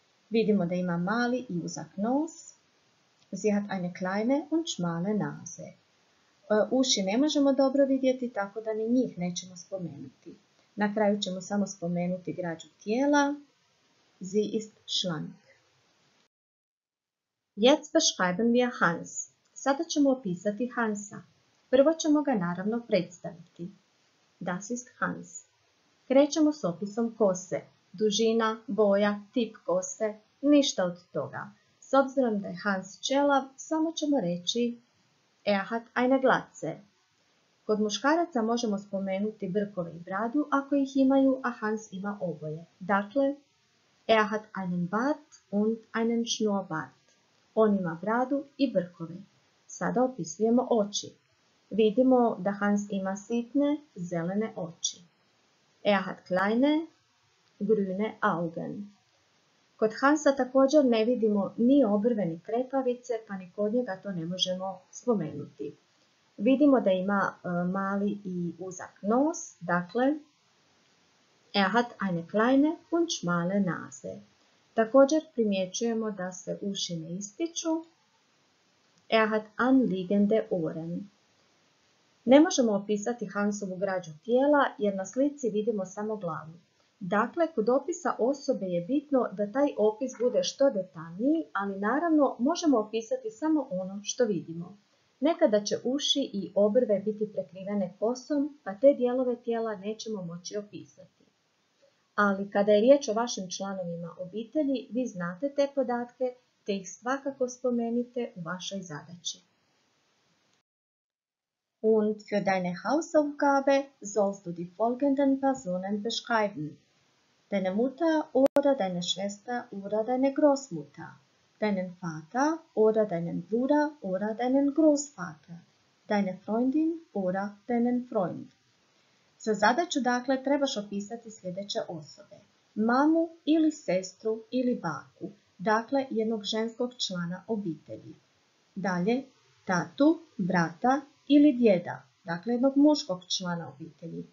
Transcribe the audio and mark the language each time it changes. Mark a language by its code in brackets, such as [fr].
[hr] Vidimo da ima mali i uzak nos. [de] Sie hat eine kleine und schmale Nase. [hr] Uši ne možemo dobro vidjeti, tako da ni njih nećemo spomenuti. Na kraju ćemo samo spomenuti građu tijela. [de] Sie ist schlank. Jetzt beschreiben wir Hans. [hr] Sada ćemo opisati Hansa. Prvo ćemo ga naravno predstaviti. [de] Das ist Hans. [hr] Krećemo s opisom kose. Dužina, boja, tip kose, ništa od toga. S obzirom da je Hans ćelav, samo ćemo reći [de] Er hat eine Glatze. [hr] Kod muškaraca možemo spomenuti brkove i bradu ako ih imaju, a Hans ima oboje. [de] Dakle, Er hat einen Bart und einen Schnurrbart. [hr] On ima bradu i brkove. Sada opisujemo oči. Vidimo da Hans ima sitne, zelene oči. [de] Er hat kleine, grüne Augen. [hr] Kod Hansa također ne vidimo ni obrve ni trepavice, pa ni kod njega to ne možemo spomenuti. Vidimo da ima mali i uzak nos, dakle, [de] Er hat eine kleine und schmale Nase. [hr] Također primjećujemo da se uši ne ističu. [de] Er hat anliegende Ohren. [hr] Ne možemo opisati Hansovu građu tijela jer na slici vidimo samo glavu. Dakle, kod opisa osobe je bitno da taj opis bude što detaljniji, ali naravno možemo opisati samo ono što vidimo. Nekada će uši i obrve biti prekrivene kosom, pa te dijelove tijela nećemo moći opisati. Ali kada je riječ o vašim članovima obitelji, vi znate te podatke, te ih svakako spomenite u vašoj zadaći. [de] Und für deine Hausaufgabe sollst du die folgenden Personen beschreiben. Deine Mutter oder deine Schwester oder deine Großmutter. Deinen Vater oder deinen Bruder oder deinen Großvater. Deine Freundin oder deinen Freund. [hr] Za zadaću dakle trebaš opisati sljedeće osobe. Mamu ili sestru ili baku, dakle jednog ženskog člana obitelji. Dalje, tatu, brata ili djeda, dakle jednog muškog člana obitelji.